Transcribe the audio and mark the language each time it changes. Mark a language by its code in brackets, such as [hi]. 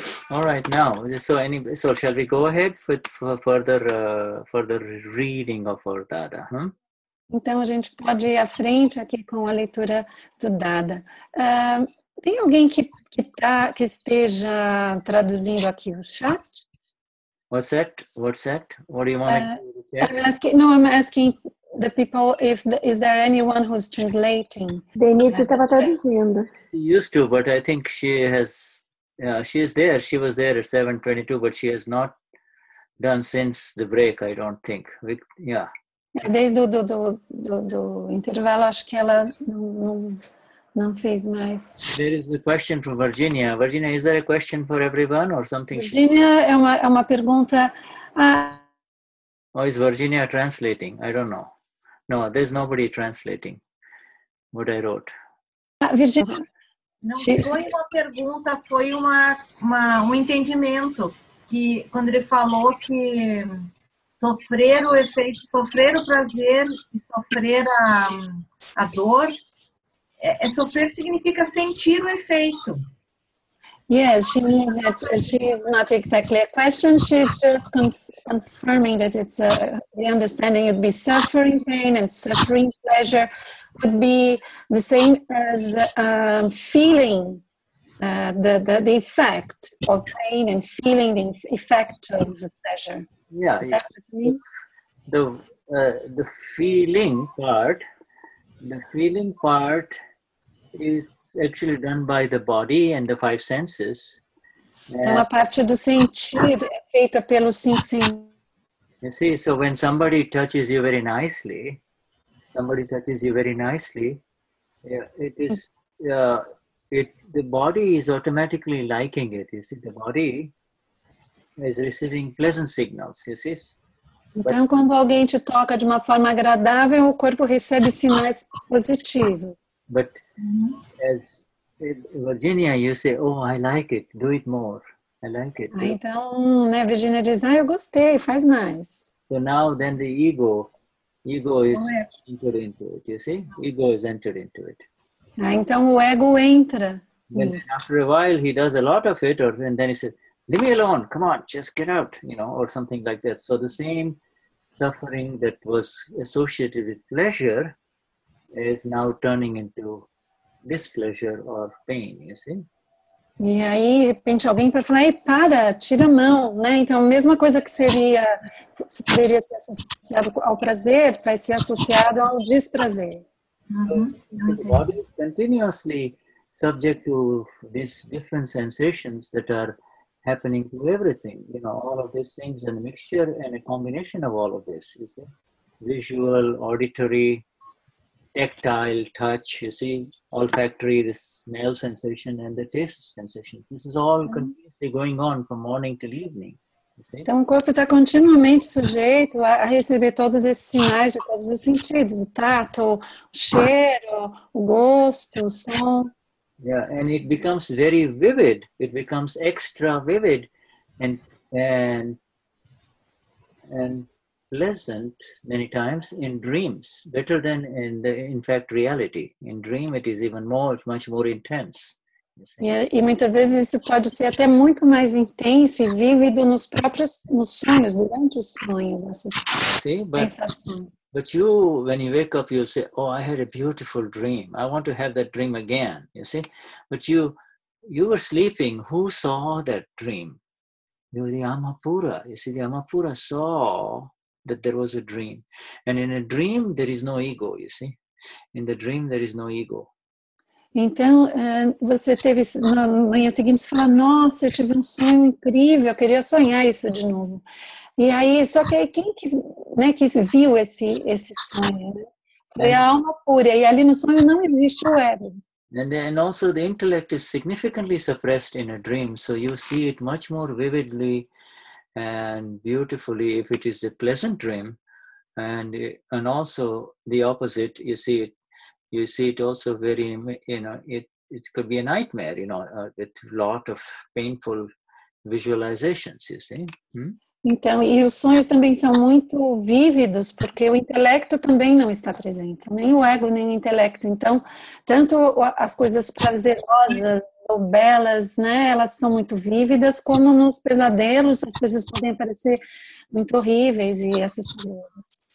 [en] All right, now, so shall we go ahead with further reading of our Dada? [pt] Então a gente pode ir à frente aqui com a leitura do Dada. Tem alguém que esteja traduzindo aqui o chat? [en] What's that? What do you want to check? I'm asking the people is there anyone who's translating? [pt] Denise estava traduzindo. [en] She used to, but I think she has. She is there. She was there at 7:22, but she has not done since the break, I don't think. Yeah. [pt] Desde do intervalo, acho que ela não fez mais. [en] There is a question from Virginia. Virginia, is there a question for everyone or something? [pt] Virginia, é uma pergunta. [en] Is Virginia translating? I don't know. No, there's nobody translating what I wrote. Virginia. [pt] Não foi uma pergunta, foi um entendimento. Que quando ele falou que sofrer o efeito, sofrer o prazer e sofrer a dor. Sofrer significa sentir o efeito. [en] Yes, she means that she is not exactly a question. She's just confirming that it's the understanding would be suffering pain and suffering pleasure would be the same as feeling the effect of pain and feeling the effect of the pleasure. Yeah. Is that what you mean? The feeling part. The feeling part is actually done by the body and the five senses. [pt] Então, a parte do sentir é feita pelos cinco sentidos. [en] You see, so when somebody touches you very nicely, it is, the body is automatically liking it. You see, the body is receiving pleasant signals. You see? [pt] Então, quando alguém te toca de uma forma agradável, o corpo recebe sinais positivos. [en] But as Virginia, you say, oh, I like it, do it more. I like it. [pt] Ah, então, né, Virginia diz, ah, eu gostei, faz mais. [en] So now then the ego is entered into it, you see? Ego is entered into it. [pt] Ah, então o ego entra. [en] Then after a while he does a lot of it, or and then he says, leave me alone, come on, just get out, you know, or something like that. So the same suffering that was associated with pleasure is now turning into displeasure or pain, you see? [pt] E aí, de repente, alguém para falar, ei, para, tira a mão, né? Então, a mesma coisa que seria, poderia ser associado ao prazer, vai ser associado ao desprazer. Uh-huh. [en] The body is continuously subject to these different sensations that are happening to everything, you know, all of these things and a mixture and a combination of all of this, you see? Visual, auditory, tactile, touch, you see? Olfactory, the smell sensation and the taste sensation. This is all continuously going on from morning till evening. [pt] Então, o corpo está continuamente sujeito a receber todos esses sinais de todos os sentidos: o tato, o cheiro, o gosto, o som. [en] Yeah, and it becomes very vivid. It becomes extra vivid and pleasant many times in dreams, better than in the in fact reality. In dream it is even more, it's much more intense. [pt] E muitas vezes isso pode ser até muito mais intenso e vívido nos próprios nos sonhos, durante os sonhos, essas sensações. [en] But you, when you wake up, you say, oh, I had a beautiful dream. I want to have that dream again, you see? But you were sleeping. Who saw that dream? You were the Amapura. You see, the Amapura saw that there was a dream. And in a dream, there is no ego, you see? In the dream, there is no ego. [pt] Então, você teve, na manhã seguinte, você fala, nossa, eu tive um sonho incrível, eu queria sonhar isso de novo. E aí, só que aí, quem que, né, que viu esse sonho? Né? Foi a alma pura, e ali no sonho não existe o ego. [en] And then also the intellect is significantly suppressed in a dream, so you see it much more vividly and beautifully if it is a pleasant dream, and also the opposite, you see it. You see it also very, you know, it could be a nightmare, you know, with a lot of painful visualizations, you see. [pt] Então, e os sonhos também são muito vívidos, porque o intelecto também não está presente, nem o ego, nem o intelecto. Então, tanto as coisas prazerosas ou belas, né, elas são muito vívidas, como nos pesadelos as coisas podem parecer muito horríveis e assustadoras.